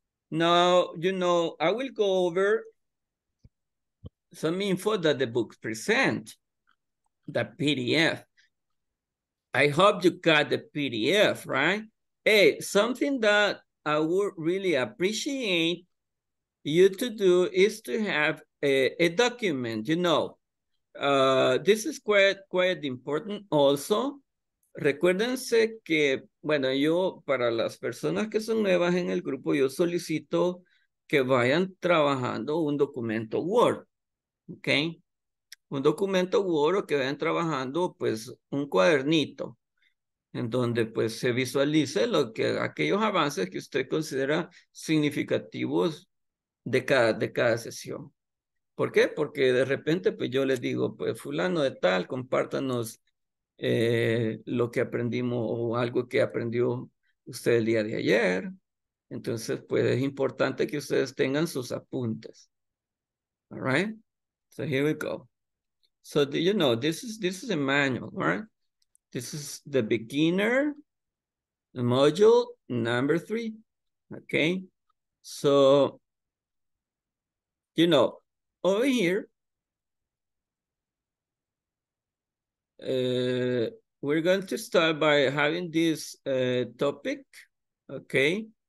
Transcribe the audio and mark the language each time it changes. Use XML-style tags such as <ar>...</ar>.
<en>Now, you know, I will go over some info that the book presents, the PDF. I hope you got the PDF, right? Hey, something that I would really appreciate you to do is to have a document, you know. This is quite important also.</en> <es>Recuérdense que, bueno, yo para las personas que son nuevas en el grupo, yo solicito que vayan trabajando un documento Word, ¿ok? Un documento Word o que vayan trabajando, pues, un cuadernito en donde, pues, se visualice aquellos avances que usted considera significativos de cada sesión. ¿Por qué? Porque de repente, pues, yo les digo, pues, fulano de tal, compártanos lo que aprendimos o algo que aprendió usted el día de ayer. Entonces, pues es importante que ustedes tengan sus apuntes.</es> <en>All right? So here we go. So, you know, this is a manual, right? This is the beginner, the module number three. Okay? So, you know, over here, we're going to start by having this topic, okay?</en>